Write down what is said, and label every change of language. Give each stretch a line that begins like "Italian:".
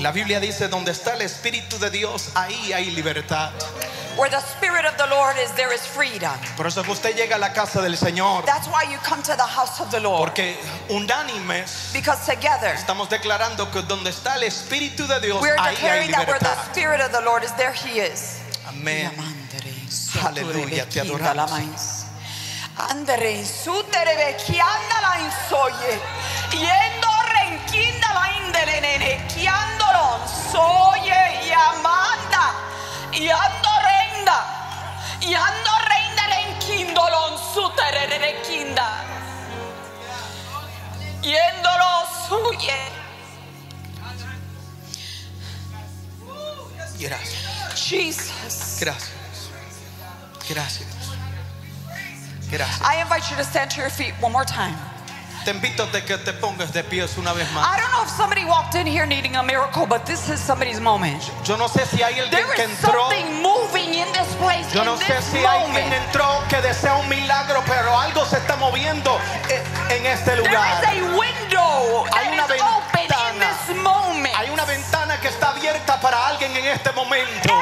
Spanish: La Biblia dice, donde está el Espíritu de Dios, ahí hay libertad.
English: Where the Spirit of the Lord is, there is freedom.
Spanish: Por eso que usted llega a la casa del Señor.
English: That's why you come to the house of the Lord.
Spanish: Porque unánimes.
English: Because together.
Spanish: Estamos declarando que donde está el Espíritu de Dios,
English: we're
Spanish: ahí
English: declaring
Spanish: hay libertad.
English: That where the Spirit of the Lord is, there He is.
Spanish: Amén. Aleluya, te adoramos. Andere in su terebe chi anda la in soye yendo renkinda la in dele nene chi andoro soye y amanda y ando renda y ando renda renkindo lon su terere renkinda yendo lo suye gracias Jesus gracias gracias.
English: I invite you to stand to your feet one more time.
Spanish: Te invito a que te pongas de pies una vez más.
English: I don't know if somebody walked in here needing a miracle, but this is somebody's moment.
Spanish: Yo no sé si hay alguien que entró.
English: There is something moving in this place.
Spanish: Yo no sé si hay alguien entró que desea un milagro, pero algo se está moviendo en este lugar.
English: There is a window that is open in this moment.
Spanish: Hay una ventana que está abierta para alguien en este momento.